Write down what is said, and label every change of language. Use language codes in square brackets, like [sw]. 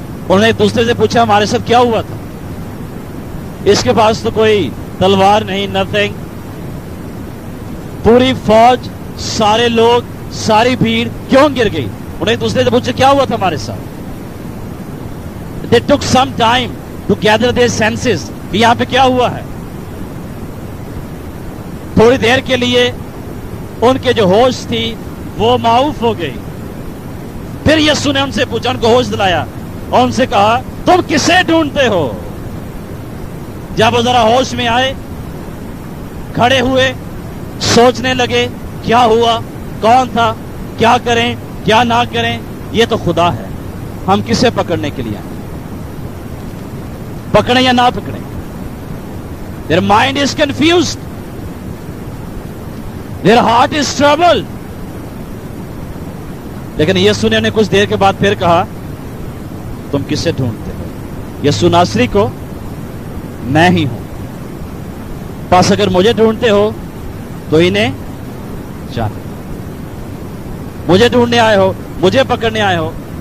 [hi] उन्होंने दूसरे से पूछा, हमारे साथ क्या हुआ था? इसके पास तो कोई तलवार नहीं, नथिंग। पूरी फौज, सारे लोग, सारी भीड़ क्यों गिर गई? उन्होंने दूसरे से पूछा, क्या हुआ था हमारे साथ? [en] They took some time to gather their senses। [hi] यहां पे क्या हुआ है? थोड़ी देर के लिए उनके जो होश थी वो माउफ हो गई। फिर यीशु ने उनसे पूछा, उनको होश दिलाया और उनसे कहा, तुम किसे ढूंढते हो? जब वो जरा होश में आए, खड़े हुए, सोचने लगे, क्या हुआ, कौन था, क्या करें, क्या ना करें, ये तो खुदा है, हम किसे पकड़ने के लिए आए, पकड़े या ना पकड़े? [en] Their mind is confused, their heart is troubled। [hi] लेकिन यीशु ने उन्हें कुछ देर के बाद फिर कहा, तुम किसे ढूंढते हो? यीशु नासरी को? मैं ही हूं। पास अगर मुझे ढूंढते हो तो इन्हें जान, मुझे ढूंढने आए हो, मुझे पकड़ने आए हो।